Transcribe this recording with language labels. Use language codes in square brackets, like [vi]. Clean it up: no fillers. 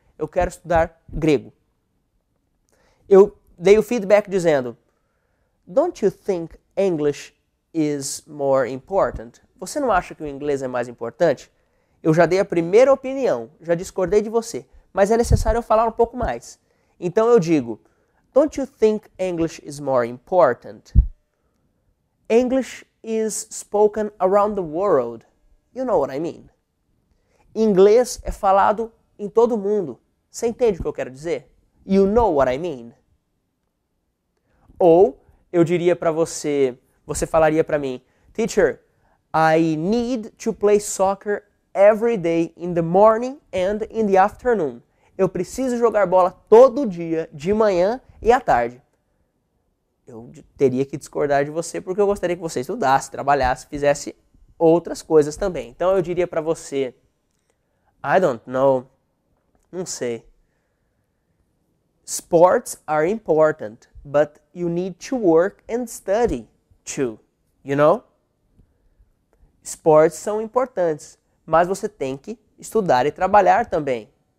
[pt] Eu quero estudar grego. Eu dei o feedback dizendo, [en] Don't you think English is more important? [pt] Você não acha que o inglês é mais importante? Eu já dei a primeira opinião, já discordei de você, mas é necessário eu falar um pouco mais. Então eu digo, [en] Don't you think English is more important? English is spoken around the world. You know what I mean. [pt] Inglês é falado em todo mundo. Você entende o que eu quero dizer? [en] You know what I mean. [pt] Ou eu diria para você, você falaria para mim, [en] Teacher, I need to play soccer every day in the morning and in the afternoon. [pt] Eu preciso jogar bola todo dia, de manhã e à tarde. Eu teria que discordar de você porque eu gostaria que você estudasse, trabalhasse, fizesse outras coisas também. Então eu diria para você, [en] I don't know, [pt] não sei. [en] Sports are important, but you need to work and study too, you know? [pt] Sports são importantes. Mas você tem que estudar e trabalhar também.